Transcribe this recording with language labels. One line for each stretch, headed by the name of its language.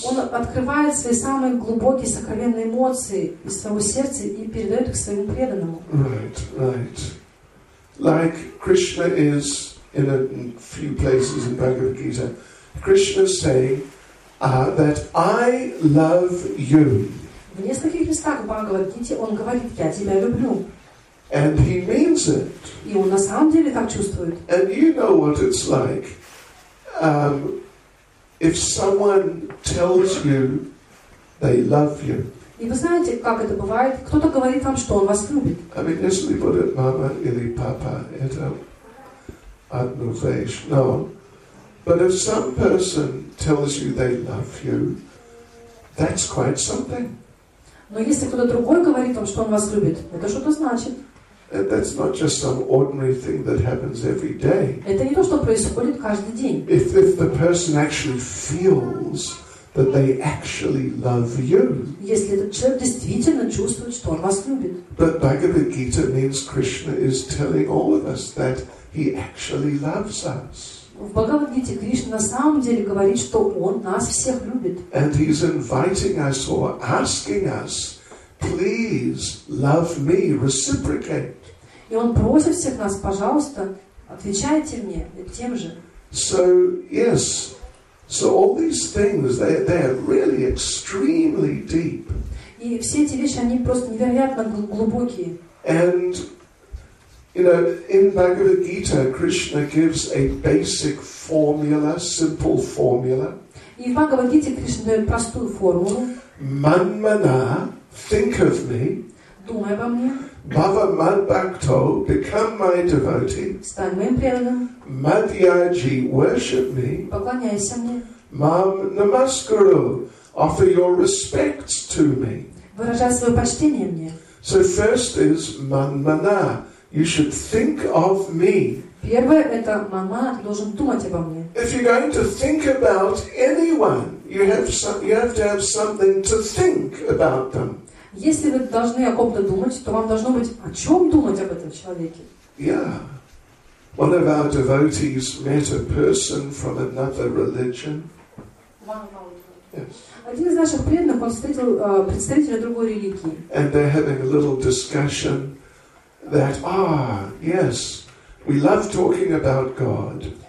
Russian: Он открывает свои самые глубокие сокровенные эмоции из своего сердца и передает их своему преданному.
English: Right, right. Like Krishna is in a few places in Bhagavad Gita, Krishna saying that I love you.
Russian: В нескольких местах в Бхагавад Гите он говорит, я тебя люблю.
English: And he means it.
Russian: И он на самом деле так чувствует.
English: And you know what it's like. If someone tells you they love you.
Russian: И вы знаете, как это бывает? Кто-то говорит вам, что он вас любит.
English: I mean,
Russian: если будет мама или папа, это одну вещь.
English: No. But if some person tells you they love you, that's quite something.
Russian: Но если кто-то другой говорит вам, что он вас любит, это что-то значит.
English: And that's not just some ordinary thing that happens every day.
Russian: Это не то, что происходит каждый день.
English: If the person actually feels that they actually love you.
Russian: Если этот человек действительно чувствует, что он вас любит.
English: But Bhagavad Gita means Krishna is telling all of us that he actually loves us.
Russian: В Бхагавад Гите Кришна на самом деле говорит, что он нас всех любит.
English: And he is inviting us or asking us, please love me, reciprocate.
Russian: И он просит всех нас, пожалуйста, отвечайте мне тем же.
English: So yes. So all these things, they are really extremely deep.
Russian: И все эти вещи, они просто невероятно глубокие.
English: And, you know, in Bhagavad Gita, Krishna gives a basic formula, simple formula.
Russian: И в Бхагавад Гите Кришна дает простую формулу.
English: Манмана, think of me.
Russian: Думай обо мне.
English: Bhava Madbhakto, become my devotee.
Russian: Стань моим преданным.
English: Madhyaji, worship me.
Russian: Поклоняйся мне.
English: Mam Namaskaru, offer your respects to me.
Russian: Выражай свое почтение мне.
English: So first is Manmana. You should think of me.
Russian: Первое это мама должен думать обо мне.
English: If you're going to think about anyone, you have to have something to think about them.
Russian: Если вы должны о ком-то думать, то вам должно быть о чем думать об этом человеке.
English: Yeah. One of our devotees met a person from another religion. Yes.
Russian: Один из наших преданных встретил представителя другой религии.
English: And they're having a little discussion that, yes, we love talking about God.